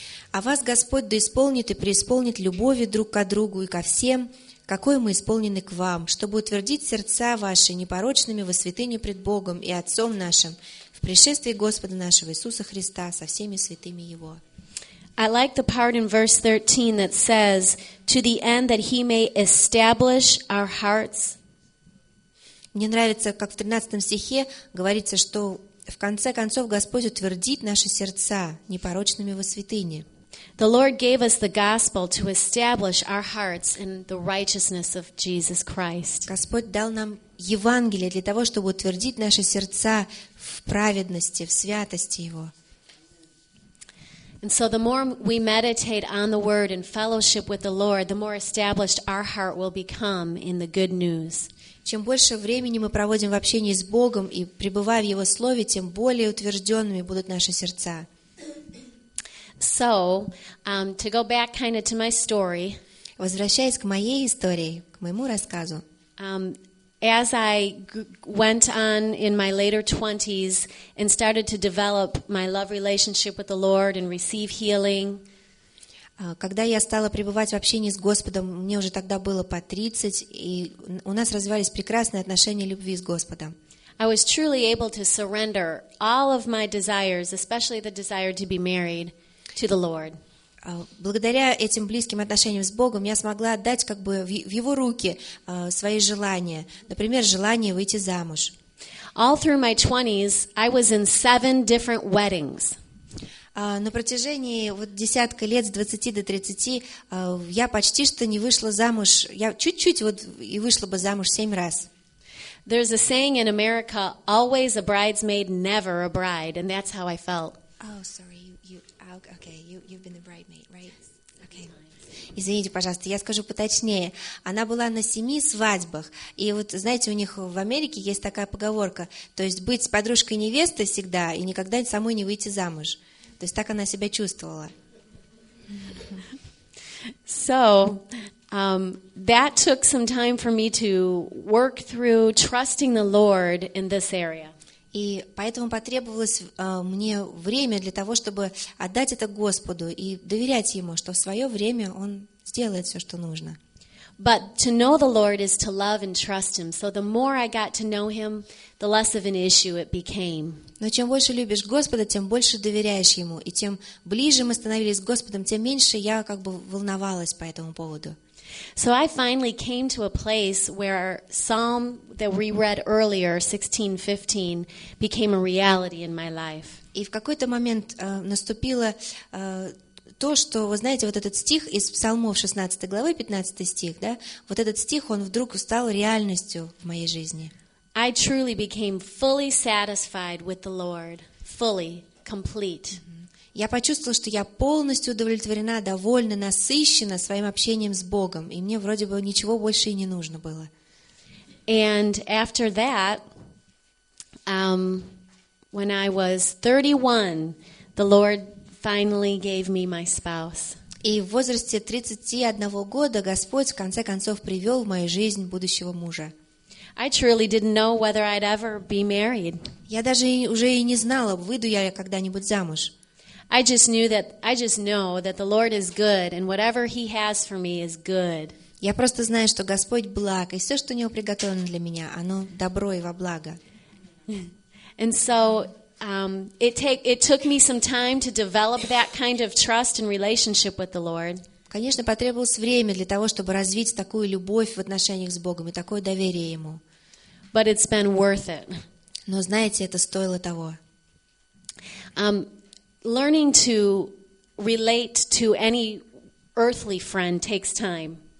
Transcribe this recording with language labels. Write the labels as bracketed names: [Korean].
[Russian] А вас Господь да исполнит и преисполнит любовью друг к другу и ко всем, какой мы исполнены к вам, чтобы утвердить сердца ваши непорочными во святыне пред Богом и Отцом нашим в пришествии Господа нашего Иисуса Христа со всеми святыми Его. [English] I like the part in verse 13 that says, to the end that He may establish our hearts. [Russian] Мне нравится, как в 13 стихе говорится, что в конце концов Господь утвердит наши сердца непорочными во святыне. [English] The Lord gave us the gospel to establish our hearts in the righteousness of Jesus Christ. [Russian] Господь дал нам Евангелие для того, чтобы утвердить наши сердца в праведности, в святости Его. [English] And so the more we meditate on the word and fellowship with the Lord, the more established our heart will become in the good news. [Russian] Чем больше времени мы проводим в общении с Богом и пребывая в Его слове, тем более утвержденными будут наши сердца. [English] So, to go back kind of to my story. [Russian] Возвращаясь к моей истории, к моему рассказу. [English] As I went on in my later 20s and started to develop my love relationship with the Lord and receive healing. [Russian] Когда я стала пребывать в общении с Господом, мне уже тогда было по 30, и у нас развивались прекрасные отношения любви с Господом. [English] I was truly able to surrender all of my desires, especially the desire to be married. To the Lord. [Russian] Благодаря этим близким отношениям с Богом я смогла отдать как бы в Его руки свои желания, например, желание выйти замуж. [English] All through my 20s, I was in 7 different weddings. [Russian] На протяжении вот десятка лет с 20 до 30 я почти что не вышла замуж, я чуть-чуть вот и вышла бы замуж 7 раз. [English] There's a saying in America, always a bridesmaid, never a bride, and that's how I felt. Oh, sorry. Okay, you've been the bridesmaid, right? Okay. [Russian] Извините, пожалуйста, я скажу поточнее. Она была на 7 свадьбах. И вот, знаете, у них в Америке есть такая поговорка, то есть быть с подружкой невесты всегда и никогда самой не выйти замуж. То есть так она себя чувствовала. [English] So, that took some time for me to work through trusting the Lord in this area. [Russian] И поэтому потребовалось мне время для того, чтобы отдать это Господу и доверять Ему, что в свое время Он сделает все, что нужно. [English] But to know the Lord is to love and trust Him. So the more I got to know Him, the less of an issue it became. [Russian] Но чем больше любишь Господа, тем больше доверяешь Ему, и тем ближе мы становились с Господом, тем меньше я как бы волновалась по этому поводу. [English] So I finally came to a place where Psalm that we read earlier, 16:15, became a reality in my life. [Russian] И в какой-то момент наступило то, что, вы знаете, вот этот стих из Псалмов 16 главы, 15 стих, да, вот этот стих, он вдруг стал реальностью в моей жизни. [English] I truly became fully satisfied with the Lord, fully, complete. [Russian] Я почувствовала, что я полностью удовлетворена, довольна, насыщена своим общением с Богом, и мне вроде бы ничего больше и не нужно было. [English] And after that, when I was 31, the Lord finally gave me my spouse. [Russian] И в возрасте 31 года Господь в конце концов привел в мою жизнь будущего мужа. [English] I truly didn't know whether I'd ever be married. [Russian] Я даже уже и не знала, выйду я когда-нибудь замуж. [English] I just know that the Lord is good, and whatever He has for me is good. [Russian] Я просто знаю, что Господь благ, и все, что у Него приготовлено для меня, оно добро и во благо. [English] And so it took me some time to develop that kind of trust and relationship with the Lord. [Russian] Конечно, потребовалось время для того, чтобы развить такую любовь в отношениях с Богом и такое доверие Ему. [English] But it's been worth it. [Russian] Но знаете, это стоило того. [English] Learning to relate to any earthly friend takes time.